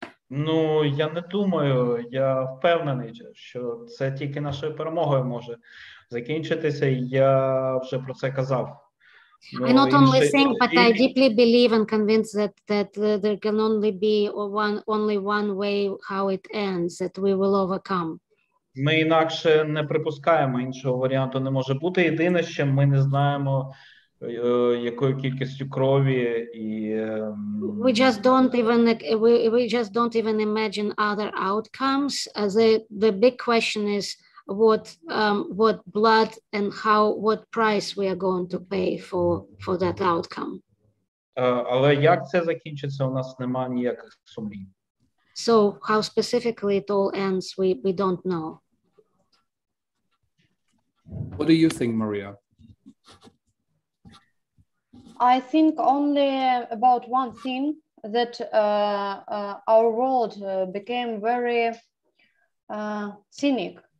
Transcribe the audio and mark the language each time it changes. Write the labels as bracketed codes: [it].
[uk] Ну, я не думаю, я впевнений, що це тільки нашою перемогою може закінчитися. Я вже про це казав. [en] Ну, I not only think, but I deeply believe and convinced that there can only be one way how it ends, that we will overcome. [uk] Ми інакше не припускаємо, іншого варіанту не може бути. Єдине, що ми не знаємо, якою кількістю крові і [en] we just don't even imagine other outcomes. The big question is what blood and how, what price we are going to pay for that outcome. [uk] Але як це закінчиться, у нас немає ніяких сумнівів. [en] So how specifically it all ends, we don't know. What do you think, Maria? I think only about one thing, that our world became very cynic.